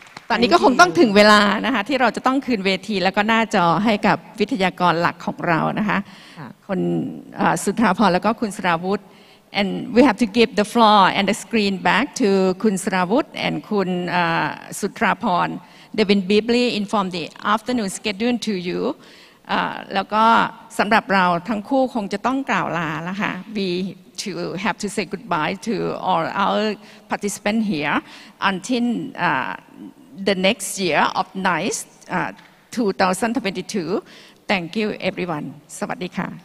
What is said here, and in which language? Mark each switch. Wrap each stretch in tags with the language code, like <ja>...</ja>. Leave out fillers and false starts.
<th>ตอนนี้ก็คงต้องถึงเวลานะคะที่เราจะต้องคืนเวทีแล้วก็หน้าจอให้กับวิทยากรหลักของเรานะคะคนสุทธาพรแล้วก็คุณสราวุธ</th> <en>And we have to give the floor and the screen back to Khun Saravut and Khun Sutraporn. They've been briefly informed the afternoon schedule to you.</en> <th>แล้วก็สำหรับเราทั้งคู่คงจะต้องกล่าวลาแล้วค่ะ</th> <en>We to have to say goodbye to all our participants here until the next year of NICE 2022. Thank you, everyone.</en> <th>สวัสดีค่ะ</th>